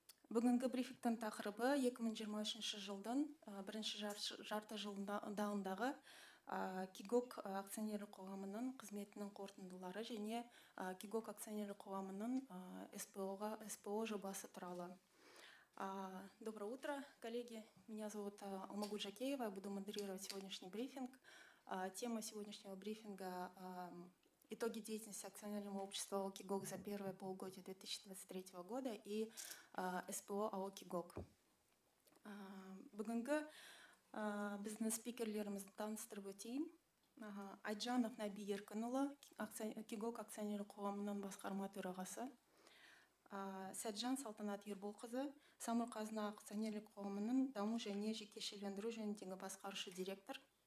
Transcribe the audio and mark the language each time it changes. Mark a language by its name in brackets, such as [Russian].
[Kazakh] Бүгінгі брифингтің тақырыбы 2023 жылдың бірінші жарты жылындағы Кигок акционерлік қоғамының қызметінің қорытындылары және Кигок акционерлік қоғамының СПО жобасы туралы. [Russian] Доброе утро, коллеги. Меня зовут Алмагүл Жакеева. Я буду модерировать сегодняшний брифинг. Тема сегодняшнего брифинга – итоги деятельности акционерного общества АО Кигок за первое полугодие 2023 года и СПО АО Кигок. [Kazakh] Бүгінгі бизнес-спикерлеріміз таныстырып өтейін. Айтжанов Наби Еркінұлы, Кигок акционерлік қоғамының басқарма төрағасы. Сәтжан Салтанат Ерболқызы, Самұрық-қазына акционерлік қоғамының даму және жекешелендіру жөніндегі басқарушы директор.